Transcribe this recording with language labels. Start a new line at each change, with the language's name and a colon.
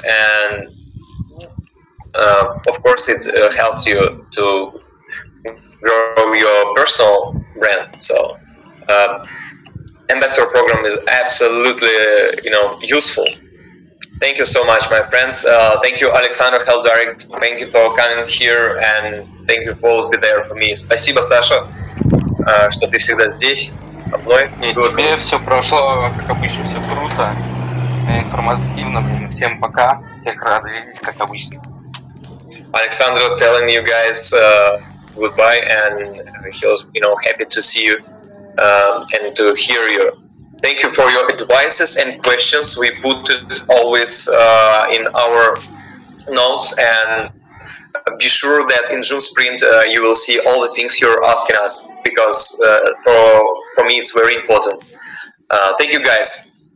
English: And of course, it helps you to grow your personal brand. So, ambassador program is absolutely, you know, useful. Thank you so much, my friends. Thank you, Alexander Heldirect. Thank you for coming here, and thank you for always be there for me.
Russian: Спасибо, Саша, что ты всегда здесь со мной. Тебе все прошло как обычно, все круто, информативно. Всем пока, всех рад видеть как обычно.
English: Alexandro telling you guys goodbye, and he was, you know, happy to see you and to hear you. Thank you for your advices and questions. We put it always in our notes, and be sure that in Zoom Sprint you will see all the things you're asking us, because for me it's very important. Thank you guys.